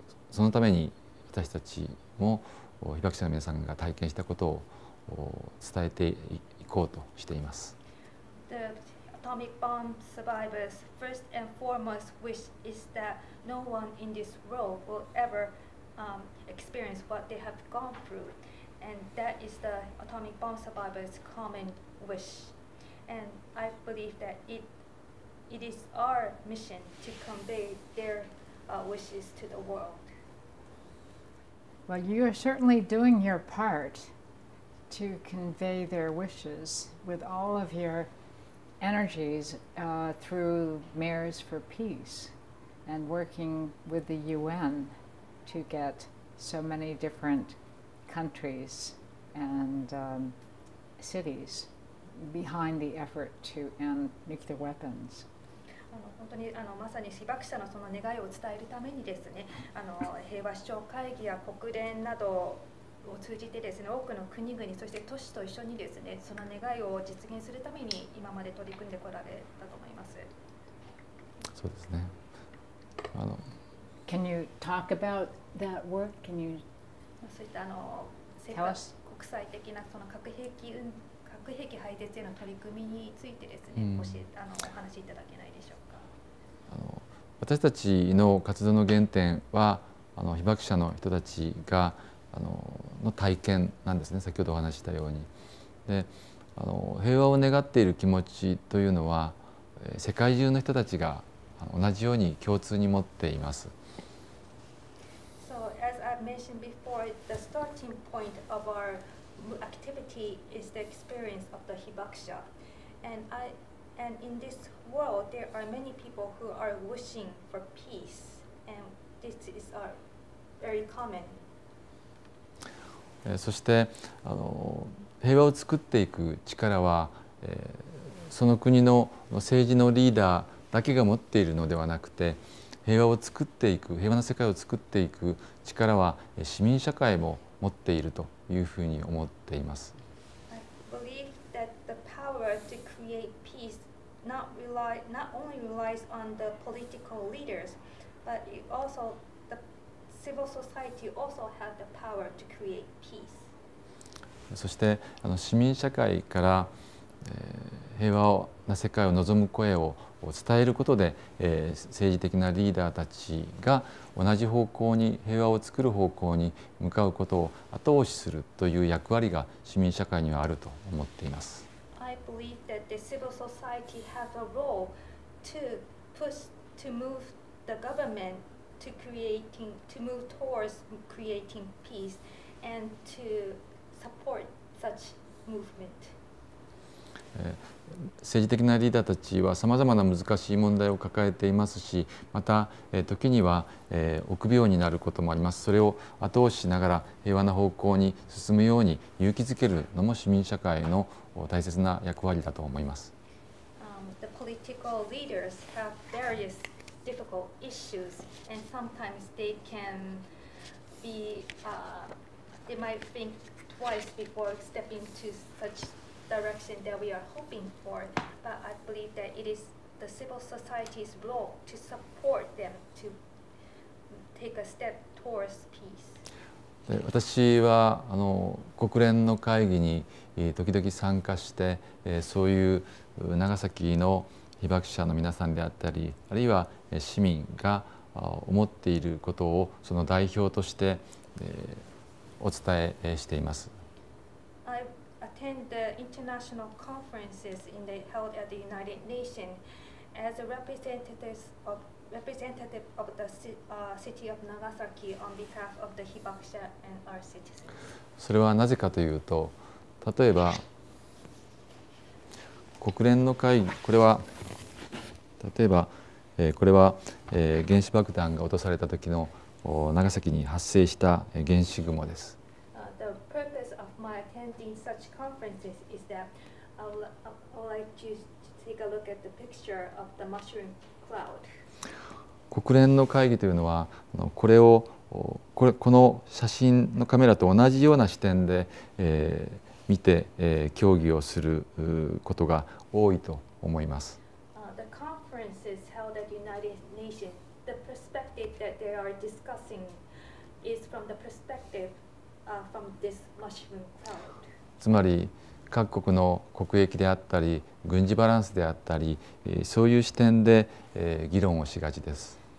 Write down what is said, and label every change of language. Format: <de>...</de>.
<ja>そのために私たちも被爆者の皆さんが体験したことを伝えていこうとしています。</ja> <en>The atomic bomb survivors first and foremost wish is that no one in this world will ever、experience what they have gone through, and that is the atomic bomb survivors' common wish, and I believe that it is our mission to convey their、wishes to the world Well, you are certainly doing your part to convey their wishes with all of your energies、through Mayors for Peace and working with the UN to get so many different countries and、cities behind the effort to end nuclear weapons.</en> <ja>本当にあのまさに被爆者のその願いを伝えるためにですね、あの平和首長会議や国連などを通じてですね、多くの国々そして都市と一緒にですね、その願いを実現するために今まで取り組んでこられたと思います。そうですね。あの、</ja> <en>Can you talk about that work? Can you</en> <ja>そういったあの世界国際的なその核兵器運核兵器廃絶への取り組みについてですね、教えあのお話しいただけないでしょうか。私たちの活動の原点はあの被爆者の人たちがあ の体験なんですね。先ほどお話したようにであの平和を願っている気持ちというのは世界中の人たちが同じように共通に持っています。</ja> <en>So as I mentioned before, the starting point of our activity is the experience of the hibakusha, and in this world there are many people who are wishing for peace, and this is our very common.</en> <ja>そしてあの平和を作っていく力は、その国の政治のリーダーだけが持っているのではなくて、平和を作っていく平和な世界を作っていく力は市民社会も持っているというふうに思っています。</ja> <en>I believe that the power to create peace. Not only relies on the political leaders, but it also the civil society also have the power to create peace.</en> <ja>そしてあの市民社会から、平和な世界を望む声を伝えることで、政治的なリーダーたちが同じ方向に平和を作る方向に向かうことを後押しするという役割が市民社会にはあると思っています。</ja> <en>I believe that the civil society has a role to push to move the government to creating to move towards creating peace and to support such movement.</en> <ja>政治的なリーダーたちはさまざまな難しい問題を抱えていますし、また時には臆病になることもあります。それを後押ししながら平和な方向に進むように勇気づけるのも市民社会の大切な役割だと思います。</ja> <en>The political leaders have various difficult issues, and sometimes they can be, they might think twice before stepping to such direction that we are hoping for. But I believe that it is the civil society's role to support them to take a step towards peace.</en> <ja>私はあの国連の会議に時々参加して、そういう長崎の被爆者の皆さんであったり、あるいは市民が思っていることをその代表として、お伝えしています。</ja> <en>I attend the international conferences in the held at the United Nations as a representative of the city of Nagasaki on behalf of the Hibakusha and our citizens.</en> <ja>それはなぜかというと、例えば国連の会議、これは例えば、これは、原子爆弾が落とされた時の長崎に発生した原子雲です。</ja> <en>The purpose of my attending such conferences is that I would like you to take a look at the picture of the mushroom cloud.</en> <ja>国連の会議というのは、これをこの写真のカメラと同じような視点で、見て、協議をすることが多いと思います。</ja> <en>The conferences held at United Nations, the perspective that they are discussing is from the perspective from this mushroom cloud.</en> <ja>つまり各国の国益であったり軍事バランスであったり、そういう視点で議論をしがちです。</ja>